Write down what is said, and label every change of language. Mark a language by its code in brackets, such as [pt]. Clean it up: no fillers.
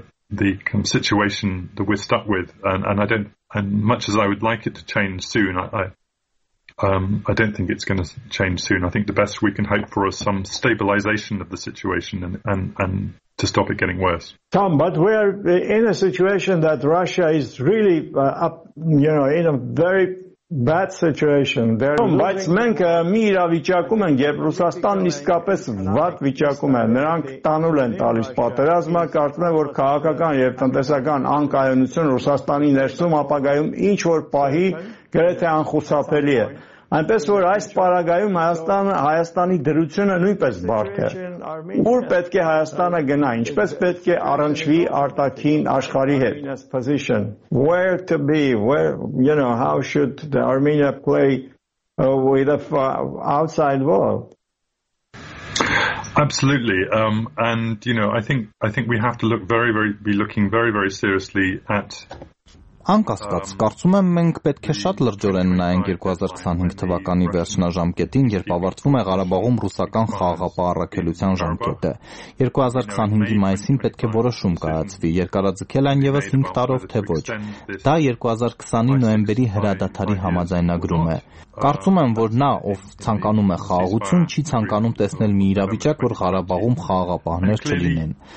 [en] The situation that we're stuck with, and I don't, and much as I would like it to change soon, I don't think it's going to change soon. I think the best we can hope for is some stabilization of the situation and to stop it getting worse. Tom, but we are in a situation that Russia is really up, you know, in a very bad situation. [hy] Բայց մենք մի իրավիճակում ենք, երբ Ռուսաստանն իսկապես վատ վիճակում է, նրանք տանուլ են տալիս պատերազմը, կարծում եմ, որ քաղաքական և տնտեսական անկայունություն Ռուսաստանի ներսում ապագայում ինչ որ պահի գրեթե անխուսափելի է։ Այնպես որ այս պարագայում Հայաստանի դրությունը նույնպես բարդ է։ Ո՞ր պետք է Հայաստանը գնա, ինչպես պետք է առնչվի արտաքին աշխարհի հետ։ [en] Where to be, where, you know, how should the Armenia play with the outside world? Absolutely. And you know, I think we have to look be looking very seriously at [hy] Անկասկած, կարծում եմ, մենք պետք է շատ լրջորեն նայենք 2025 թվականի վերջնաժամկետին, երբ ավարտվում է Ղարաբաղում ռուսական խաղաղապահ առաքելության ժամկետը։ 2025-ի մայիսին պետք է որոշում կայացվի, երկարաձգել այն ևս 5 տարով, թե ոչ։ Դա 2020-ի նոյեմբերի հրադադարի համաձայնագրում է։ Կարծում եմ, որ նա, ով ցանկանում է խաղաղություն, չի ցանկանում տեսնել մի իրավիճակ, որ Ղարաբաղում խաղաղապահներ չլինեն։